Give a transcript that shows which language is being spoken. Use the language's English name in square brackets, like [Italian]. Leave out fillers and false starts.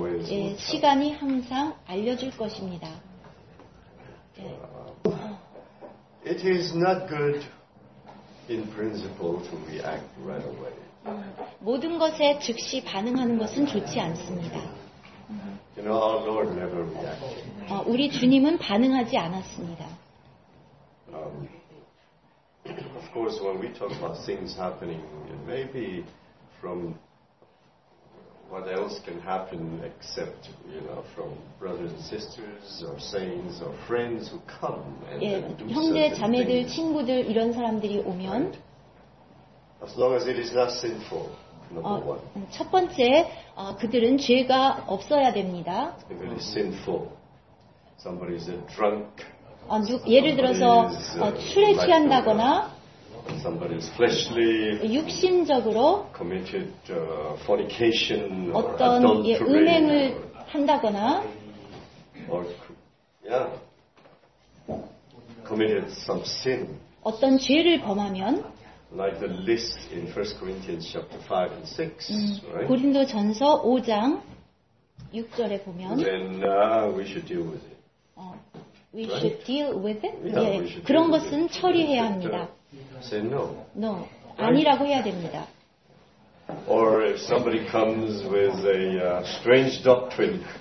[Korean] 예, 시간이 항상 알려줄 것입니다. 예. [English] It is not good in principle to react right away. [Korean] 모든 것에 즉시 반응하는 것은 좋지 않습니다. [English] You know, our Lord never reacted. [Korean] 우리 주님은 반응하지 않았습니다. [English] Of course, when we talk about things happening, maybe from what else can happen except, you know, from brothers and sisters or saints or friends who come and do certain things. [Korean] 형제, 자매들, 친구들 이런 사람들이 오면. [English] As long as it is not sinful, number one. [Korean] 첫 번째, 그들은 죄가 없어야 됩니다. [English] If it is sinful, somebody is a drunk. [Korean] 예를 들어서 술에 취한다거나. [English] Somebody is fleshly, [Korean] 육신적으로 [English] committed, fornication, [Korean] 어떤 [English] adultery, [Korean] 음행을 한다거나 [English] or, yeah, committed some sin. [Korean] 어떤 죄를 범하면 [English] like the list in 1 Corinthians chapter 5 and 6, right? [Korean] 고린도전서 5장 6절에 보면 [English] then we should deal with it. We should deal with it? Yeah, yeah. [Korean] 그런 것은 처리해야 합니다. [English] Say no. [Korean] No. 아니라고 해야 됩니다. [English] Or if somebody comes with a strange doctrine.